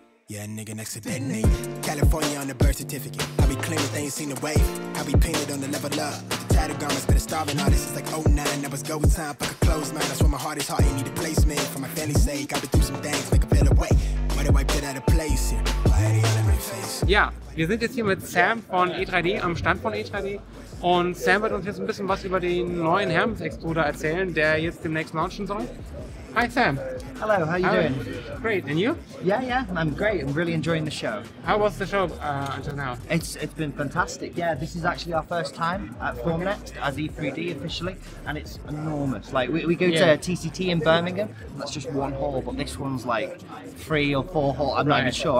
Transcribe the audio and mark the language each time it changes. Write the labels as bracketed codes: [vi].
[en] Yeah, nigga, next to that name. California on the birth certificate. How we claim that they ain't seen the wave. How we painted on the level up. The tattered garments, been a starving artist. It's like 09, that was go time. Fuck a closed mind. That's where my heart is hard. You need a placement. For my family's sake, I've been through some things. Make a better way. Why do I get out of place? Why are you on my face? [de] Ja, wir sind jetzt hier mit Sam von E3D, am Stand von E3D. Und Sam wird uns jetzt ein bisschen was über den neuen Hermes-Extruder erzählen, der jetzt demnächst launchen soll. Hi Sam. [en] Hello, how are you doing? Great, and you? Yeah, I'm great. I'm really enjoying the show. How was the show until now? It's been fantastic. Yeah, this is actually our first time at Formnext as E3D officially, and it's enormous. Like, we go to TCT in Birmingham, and that's just one hall, but this one's like three or four hall. I'm not even sure.